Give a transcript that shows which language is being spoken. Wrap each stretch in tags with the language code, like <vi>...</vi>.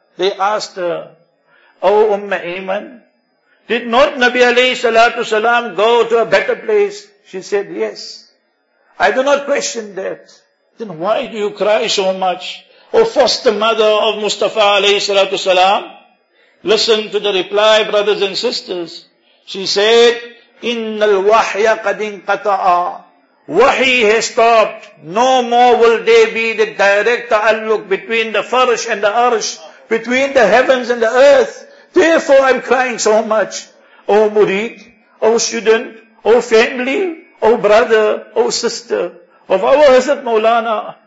<en>They asked her, O Umma Iman, did not Nabi alayhi salatu salam go to a better place? She said, yes. I do not question that. Then why do you cry so much? O foster mother of Mustafa alayhi salatu salam, listen to the reply, brothers and sisters.</en> <ar>She said, إِنَّ الْوَحْيَ قَدْ انْقَطَعَ.</ar> <en>Wahi has stopped. No more will there be the direct ta'alluq between the farsh and the arsh, between the heavens and the earth. Therefore I'm crying so much. O murid, O student, O family, O brother, O sister of our Hazrat Mawlana.</en>